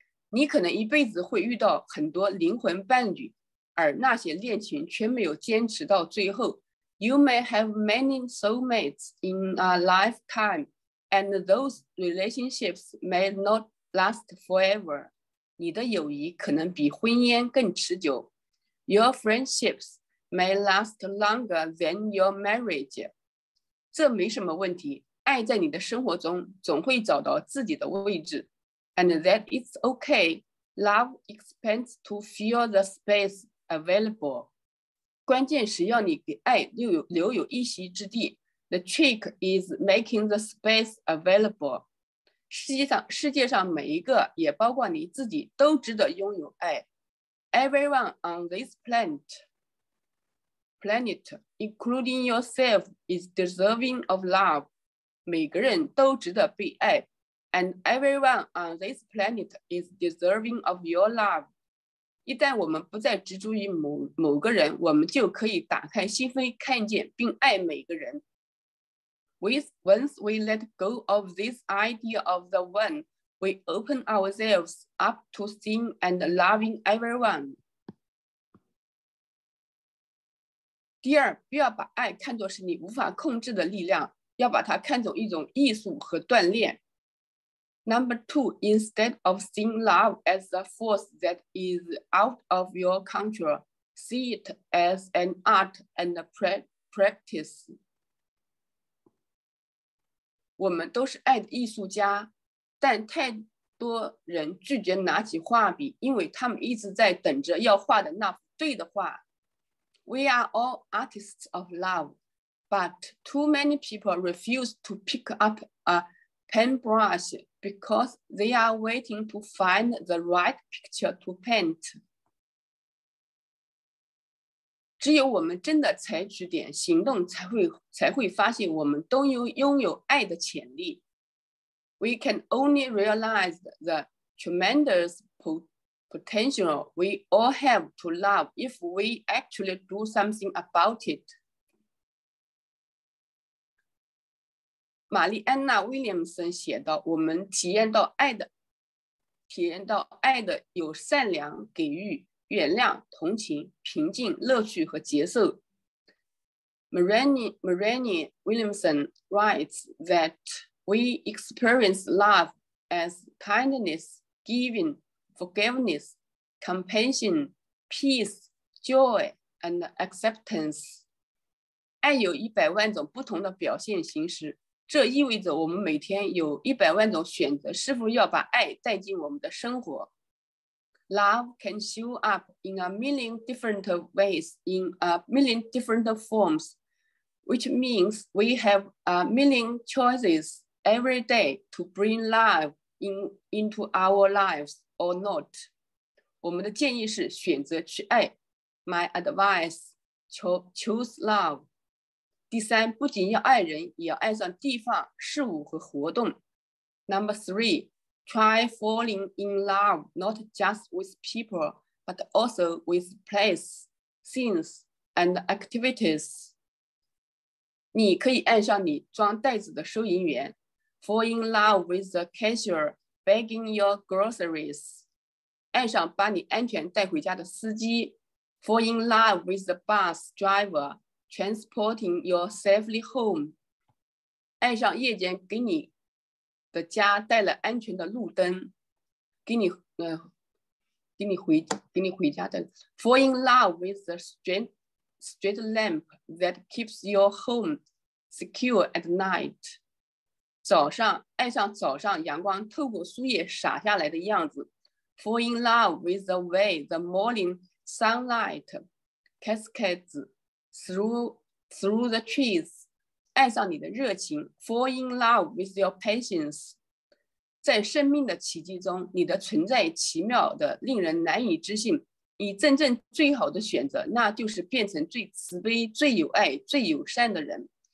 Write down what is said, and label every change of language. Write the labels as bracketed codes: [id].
[zh] 你可能一辈子会遇到很多灵魂伴侣，而那些恋情却没有坚持到最后。 [en] You may have many soulmates in a lifetime, and those relationships may not last forever. [zh] 你的友谊可能比婚姻更持久。 [en] Your friendships may last longer than your marriage. [zh] 这没什么问题，爱在你的生活中总会找到自己的位置。 [en] And that is okay. Love expands to fill the spaceavailable. [zh] 关键是要你给爱留有一席之地。 [en] The trick is making the space available. [zh] 世界上每一个，也包括你自己，都值得拥有爱。 [en] Everyone on this planet, including yourself, is deserving of love. [zh] 每个人都值得被爱。 [en] And everyone on this planet is deserving of your love. [zh] 一旦我们不再执着于 某个人，我们就可以打开心扉，看见并爱每个人。 [en] Once we let go of this idea of the one, we open ourselves up to seeing and loving everyone. [zh] 第二，不要把爱看作是你无法控制的力量，要把它看作一种艺术和锻炼。 [en] Number two, instead of seeing love as a force that is out of your control, see it as an art and a practice. [zh] 我们都是爱的艺术家，但太多人拒绝拿起画笔，因为他们一直在等着要画的那幅对的画。 [en] We are all artists of love, but too many people refuse to pick up a paintbrush because they are waiting to find the right picture to paint. [zh] 只有我们真的采取点行动才会发现我们都拥有爱的潜力。 [en] We can only realize the tremendous potential we all have to love if we actually do something about it. [zh] 玛丽安娜·威廉姆森写道，我们体验到爱的有善良、给予、原谅、同情、平静、乐趣和接受。 [en] Marianne Williamson writes that we experience love as kindness, giving, forgiveness, compassion, peace, joy, and acceptance. [zh] 爱有一百万种不同的表现形式，这意味着我们每天有一百万种选择是否要把爱带进我们的生活。 [en] Love can show up in a million different ways, in a million different forms, which means we have a million choices every day to bring love into our lives or not. [zh] 我们的建议是选择去爱。 [en] My advice, choose love. [zh] 第三，不仅要爱人，也要爱上地方、事物和活动。 [en] Number three,Try falling in love not just with people, but also with places, scenes, and activities. [zh] 你可以爱上你装袋子的收银员， [en] fall in love with the cashier bagging your groceries. [zh] 爱上把你安全带回家的司机， [en] fall in love with the bus driver transporting you safely home. [zh] 爱上夜间给你的家带了安全的路灯，给你回家的。 [en] Fall in love with the street lamp that keeps your home secure at night. [zh] 早上，爱上早上阳光透过树叶洒下来的样子。 [en] Fall in love with the way the morning sunlight cascades through the trees. [zh] 爱上你的热情， [en] fall in love with your patience. [zh] 在生命的奇迹中，你的存在奇妙的令人难以置信。你真正最好的选择，那就是变成最慈悲、最有爱、最友善的人。